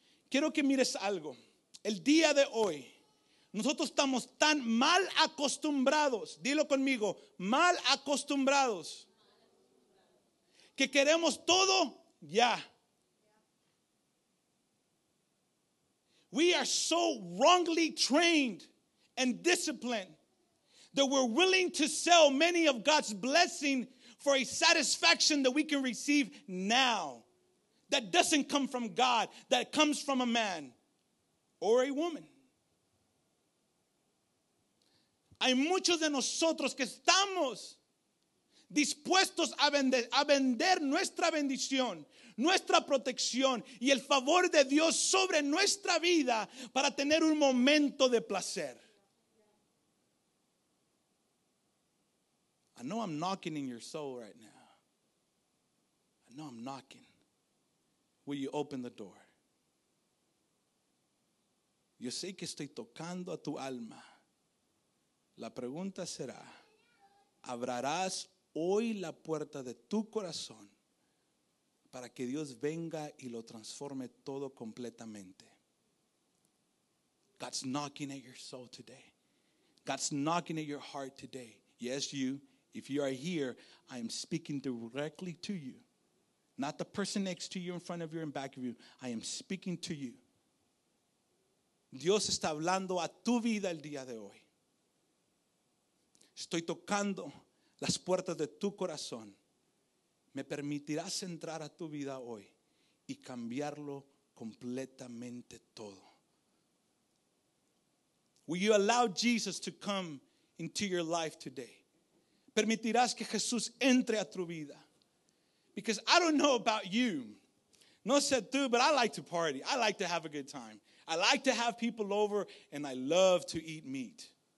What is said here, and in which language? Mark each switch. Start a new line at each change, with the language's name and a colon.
Spanish: Quiero que mires algo. El día de hoy, nosotros estamos tan mal acostumbrados, dilo conmigo, mal acostumbrados, que queremos todo ya.
English: We are so wrongly trained and disciplined that we're willing to sell many of God's blessings for a satisfaction that we can receive now. That doesn't come from God. That comes from a man or a woman.
Spanish: Hay muchos de nosotros que estamos dispuestos a vender nuestra bendición, nuestra protección y el favor de Dios sobre nuestra vida para tener un momento de placer.
English: I know I'm knocking in your soul right now. I know I'm knocking. Will you open the door?
Spanish: Yo sé que estoy tocando a tu alma. La pregunta será, ¿abrirás hoy la puerta de tu corazón para que Dios venga y lo transforme todo completamente?
English: God's knocking at your soul today. God's knocking at your heart today. Yes, you. If you are here, I am speaking directly to you. Not the person next to you, in front of you, in back of you. I am speaking to you.
Spanish: Dios está hablando a tu vida el día de hoy. Estoy tocando las puertas de tu corazón. ¿Me permitirás entrar a tu vida hoy y cambiarlo completamente todo?
English: Will you allow Jesus to come into your life today?
Spanish: ¿Permitirás que Jesús entre a tu vida?
English: Because I don't know about you.
Spanish: No sé tú,
English: but I like to party. I like to have a good time. I like to have people over, and I love to eat meat.